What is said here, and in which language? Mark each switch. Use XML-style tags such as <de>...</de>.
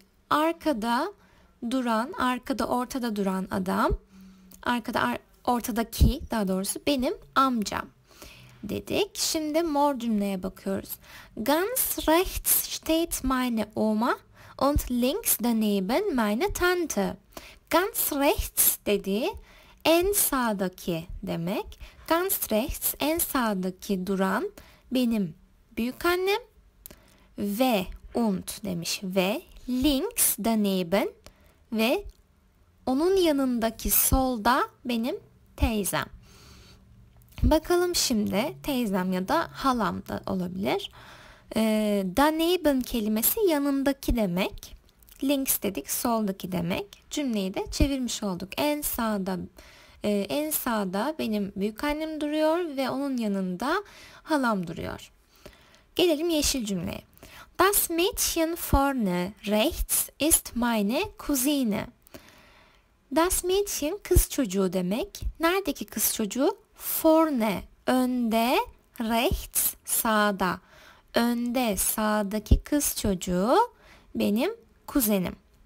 <tr>Arkada duran, arkada ortada duran adam, ortadaki daha doğrusu benim amcam dedik. Şimdi mor cümleye bakıyoruz.</tr> <de>Ganz rechts steht meine Oma und links daneben meine Tante. Ganz rechts</de> <tr>dedi, en sağdaki demek.</tr> <de>Ganz rechts,</de> <tr>en sağdaki duran benim büyük annem ve und demiş. Ve</tr> <de>links daneben</de> <tr>ve onun yanındaki solda benim teyzem. Bakalım şimdi, teyzem ya da halam da olabilir. Daneben kelimesi yanındaki demek. Links dedik, soldaki demek. Cümleyi de çevirmiş olduk. En sağda benim büyük annem duruyor ve onun yanında halam duruyor. Gelelim yeşil cümleye.</tr> <de>Das Mädchen vorne rechts ist meine Cousine. Das Mädchen</de> <tr>kız çocuğu demek. Neredeki kız çocuğu? Vorne, önde, rechts, sağda. Önde, sağdaki kız çocuğu benim kuzenim.</tr>